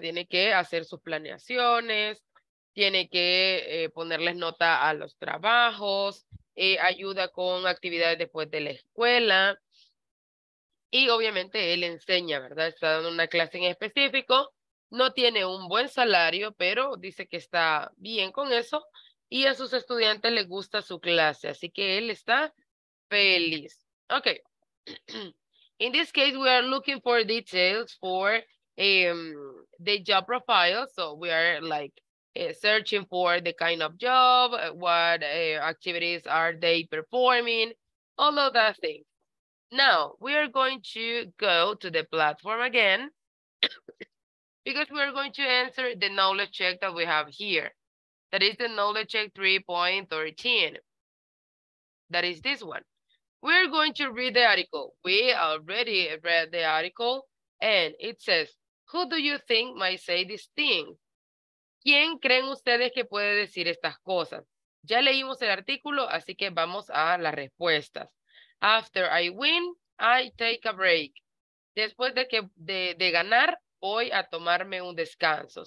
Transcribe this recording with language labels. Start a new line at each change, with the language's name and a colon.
Spanish: Tiene que hacer sus planeaciones, tiene que ponerles nota a los trabajos. Ayuda con actividades después de la escuela Y obviamente él enseña, ¿verdad? Está dando una clase en específico. No tiene un buen salario, pero dice que está bien con eso. Y a sus estudiantes les gusta su clase. Así que él está feliz. Ok.
English: In this case, we are looking for details for the job profile. So we are like searching for the kind of job, what activities are they performing, all of that thing. Now, we are going to go to the platform again because we are going to answer the knowledge check that we have here. That is the knowledge check 3.13. That is this one. We're going to read the article. We already read the article and it says, who do you think might say this thing?
Spanish: ¿Quién creen ustedes que puede decir estas cosas? Ya leímos el artículo, así que vamos a las respuestas.
English: After I win, I take a break.
Spanish: Después de que de ganar, voy a tomarme un descanso.